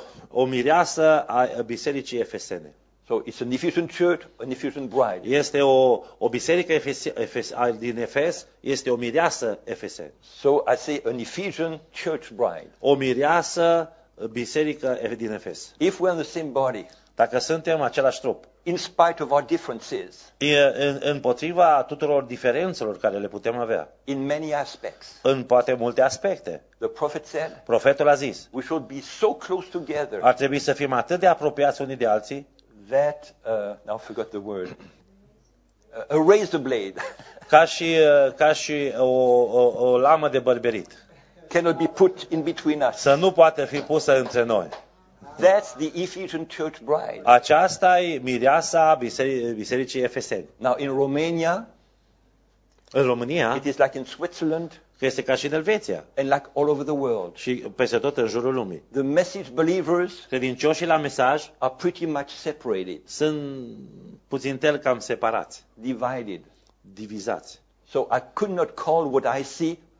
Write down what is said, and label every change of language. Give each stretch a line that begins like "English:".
Romanian: O mireasă a bisericii Efesene.
English: So it's an Ephesian church, an Ephesian bride.
Romanian: Este o biserică din Efes, este o mireasă Efesene.
English: So I say an Ephesian church bride.
Romanian: O mireasă biserică din Efes.
English: If we're in the same body.
Romanian: Dacă suntem același trup.
English: In spite of our differences.
Romanian: Împotriva tuturor diferențelor care le putem avea.
English: In many aspects.
Romanian: În poate multe aspecte.
English: The prophet said.
Romanian: Profetul a zis.
English: We should be so close together.
Romanian: Ar trebui să fim atât de apropiați unii de alții.
English: That now I forgot the word. A razor blade.
Romanian: ca și o lamă de bărberit.
English: Cannot be put in between us.
Romanian: Să nu poate fi pusă între noi.
English: That's the Ephesian church bride.
Romanian: Aceasta e mireasa bisericii Efeseni.
English: Now in Romania.
Romanian: În România.
English: It is like in Switzerland.
Romanian: Este ca și în Elveția.
English: And like all over the world.
Romanian: Și peste tot în jurul lumii.
English: The message believers.
Romanian: Credincioșii la mesaj.
English: Are pretty much separated.
Romanian: Sunt puțin tel cam separați.
English: Divided.
Romanian: Divizați.
English: So I could not call what I see.